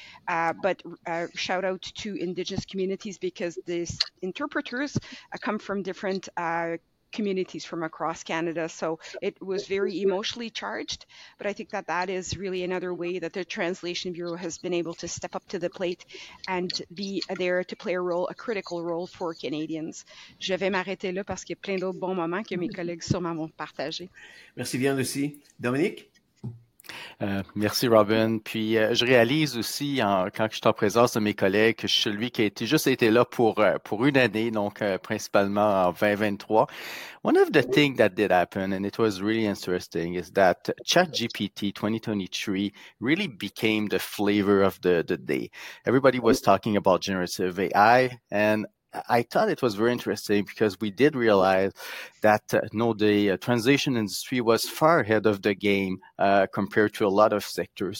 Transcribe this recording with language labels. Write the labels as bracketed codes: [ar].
[en] But shout out to Indigenous communities, because these interpreters come from different communities from across Canada. So it was very emotionally charged. But I think that that is really another way that the Translation Bureau has been able to step up to the plate and be there to play a role, a critical role for Canadians. [fr] Je vais m'arrêter là parce qu'il y a plein d'autres bons moments que mes collègues sûrement vont partager. Merci bien, Lucie. Dominique? Merci, Robin. Puis je réalise aussi, quand je suis en présence de mes collègues, que je suis celui qui a été là pour une année, donc principalement en 2023. [en] One of the things that did happen, and it was really interesting, is that ChatGPT 2023 really became the flavor of the day. Everybody was talking about generative AI, and I thought it was very interesting because we did realize that the translation industry was far ahead of the game compared to a lot of sectors.